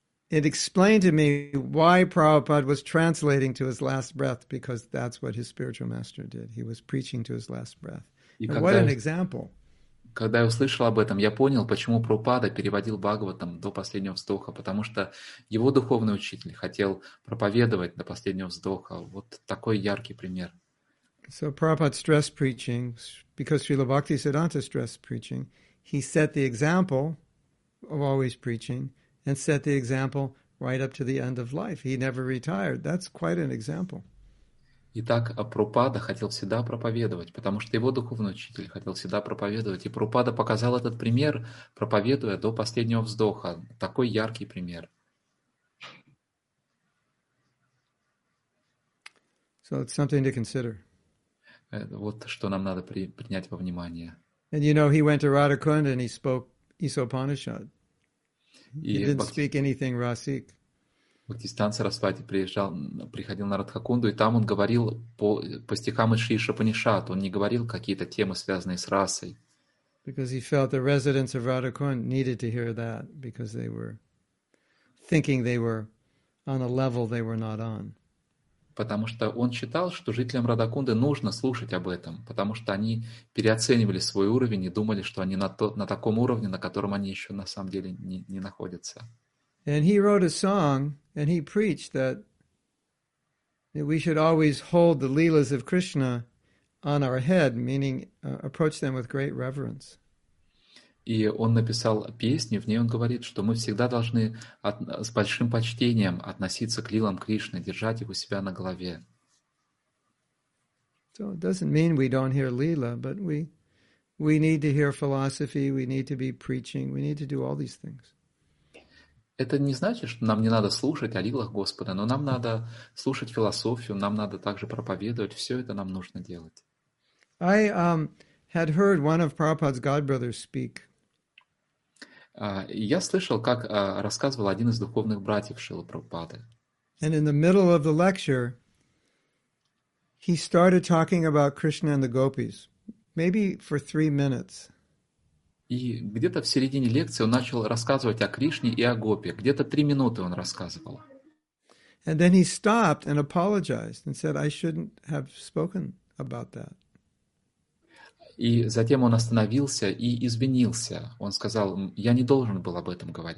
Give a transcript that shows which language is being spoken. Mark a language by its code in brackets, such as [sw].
[en] That explained to me why Prabhupada was translating to his last breath, because that's what his spiritual master did. He was preaching to his last breath. And what an example. [ru] Когда я услышал об этом, я понял, почему Прабхупада переводил Бхагаватам до последнего вздоха, потому что его духовный учитель хотел проповедовать до последнего вздоха. Вот такой яркий пример. [en] So Prabhupada stressed preaching, because Srila Bhaktisiddhanta stressed preaching, he set the example of always preaching and set the example right up to the end of life. He never retired. That's quite an example. [ru] Итак, Прабхупада хотел всегда проповедовать, потому что его духовный учитель хотел всегда проповедовать. И Прабхупада показал этот пример, проповедуя до последнего вздоха. Такой яркий пример. [en] So it's something to consider. [ru] Вот что нам надо принять во внимание. [en] And you know, he went to Radhakund and he spoke Isopanishad. He didn't speak anything Rasik. [ru] Бхактисиддханта Сарасвати приходил на Радхакунду, и там он говорил по стихам из Шри Шопанишад. Он не говорил какие-то темы, связанные с расой. [en] Because he felt the residents of Radhakund needed to hear that, because they were thinking they were on a level they were not on. [ru] Потому что он считал, что жителям Радхакунды нужно слушать об этом, потому что они переоценивали свой уровень и думали, что они на таком уровне, на котором они еще на самом деле не находятся. [en] And he wrote a song, and he preached that we should always hold the leelas of Krishna on our head, meaning approach them with great reverence. [ru] И он написал песню, в ней он говорит, что мы всегда должны с большим почтением относиться к лилам Кришны, держать их у себя на голове. [en] So it doesn't mean we don't hear leela, but we need to hear philosophy, we need to be preaching, we need to do all these things. [ru] Это не значит, что нам не надо слушать о лилах Господа, но нам надо слушать философию, нам надо также проповедовать, все это нам нужно делать. [en] Had heard one of Prabhupada's godbrothers speak. [ru] Я слышал, как рассказывал один из духовных братьев Шрилы Прабхупады. [en] And in the middle of the lecture, he started talking about Krishna and the gopis, maybe for 3 minutes. [ru] И где-то в середине лекции он начал рассказывать о Кришне и о гопи. Где-то 3 минуты он рассказывал. [en] And then he stopped and apologized and said, "I shouldn't have spoken about that." [ru] И затем он остановился и извинился. Он сказал, я не должен был об этом